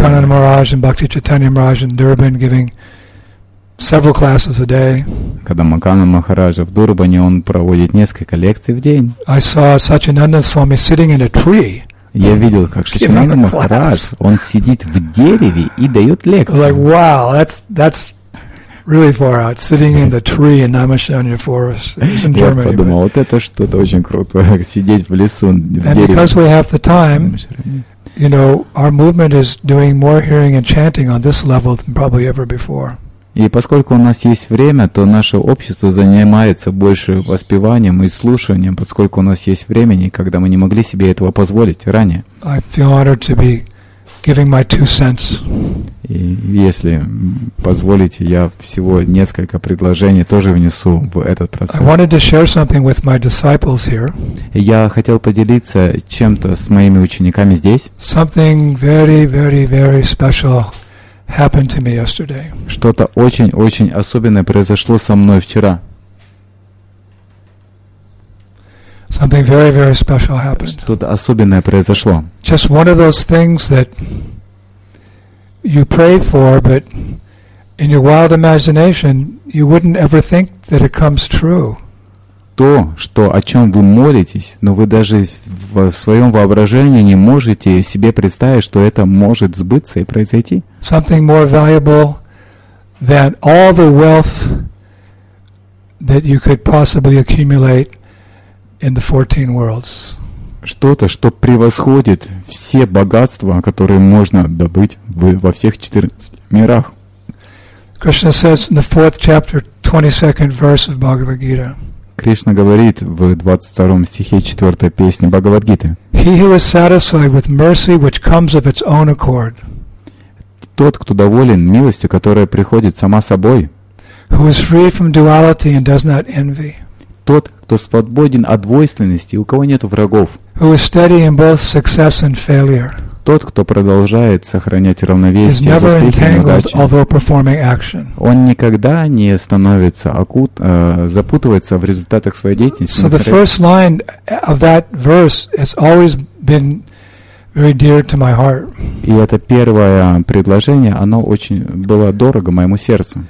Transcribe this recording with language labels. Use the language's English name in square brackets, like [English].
[Russian] Кананда Махарадж и Бхакти Чайтанья Махарадж в Дурбане [English] giving several classes a day. [Russian] Кадамакана Махараджа в Дурбане, он проводит несколько лекций в день. [English] I saw Sachinanda Swami sitting in a tree. [Russian] Я видел, как Сачинанда Махарадж, он сидит в дереве и дает лекции. [English] Like, wow, that's really far out, sitting in the tree in Namashanya forest in Germany. [Russian] Я подумал, вот это что-то очень крутое, сидеть в лесу, в дереве. [English] And because we have the time, you know, our movement is doing more hearing and chanting on this level than probably ever before. [Russian] И поскольку у нас есть время, то наше общество занимается больше воспеванием и слушанием, поскольку у нас есть времени, когда мы не могли себе этого позволить ранее. [English] I feel honored to be giving my two cents. [Russian] И если позволите, я всего несколько предложений тоже внесу в этот процесс. [English] I wanted to share something with my disciples here. [Russian] Я хотел поделиться чем-то с моими учениками здесь. [English] Something very, very, very special happened to me yesterday. [Russian] Что-то очень-очень особенное произошло со мной вчера. [English] Something very, very special happened. [Russian] Что-то особенное произошло. [English] Just one of those things that you pray for, but in your wild imagination, you wouldn't ever think that it comes true. [Russian] То, что, о чем вы молитесь, но вы даже в своем воображении не можете себе представить, что это может сбыться и произойти. [English] Something more valuable than all the wealth that you could possibly accumulate in the 14 worlds. [Russian] Что-то, что превосходит все богатства, которые можно добыть во всех 14 мирах. [English] Krishna says in the 4th chapter, 22nd verse of Bhagavad Gita. [Russian] Кришна говорит в 22 стихе 4 песни Бхагавад-гиты. [English] He who is satisfied with mercy which comes of its own accord. [Russian] Тот, кто доволен милостью, которая приходит сама собой. [English] Who is free from duality and does not envy. [Russian] Тот, кто свободен от двойственности, у кого нет врагов. [English] Who is steady in both success and failure. [Russian] Тот, кто продолжает сохранять равновесие в успехе и неудаче, он никогда не становится запутывается в результатах своей деятельности. [English] So the first line of that verse has always been very dear to my heart. [Russian] И это первое предложение, оно очень было дорого моему сердцу.